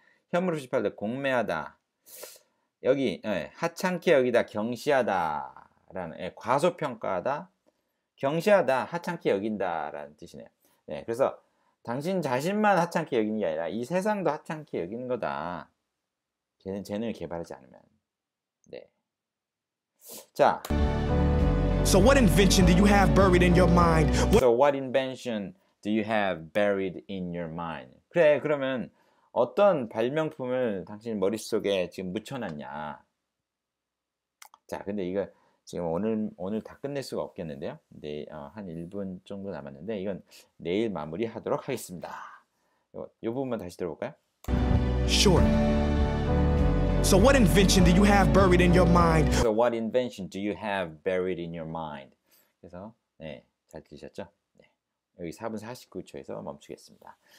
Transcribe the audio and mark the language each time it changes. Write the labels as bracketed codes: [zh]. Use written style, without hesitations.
[ko] 현물 후시 팔다, 공매하다. 여기 예, 하찮게 여기다, 경시하다라는 예, 과소평가하다, 경시하다, 하찮게 여긴다라는 뜻이네요. 네, 그래서 당신 자신만 하찮게 여기는 게 아니라 이 세상도 하찮게 여기는 거다. 재능을 개발하지 않으면. 네. 자. [en] So what invention do you have buried in your mind? So what invention do you have buried in your mind? [ko] 그래, 그러면 어떤 발명품을 당신 머릿속에 지금 묻혀놨냐. 자, 근데 이거 지금 오늘 다 끝낼 수가 없겠는데요. 네, 한 1분 정도 남았는데 이건 내일 마무리하도록 하겠습니다. 요 부분만 다시 들어볼까요? [en] Short. So what invention do you have buried in your mind? So what invention do you have buried in your mind? [ko] 그래서 네, 잘 들으셨죠? 네. 여기 4분 49초에서 멈추겠습니다.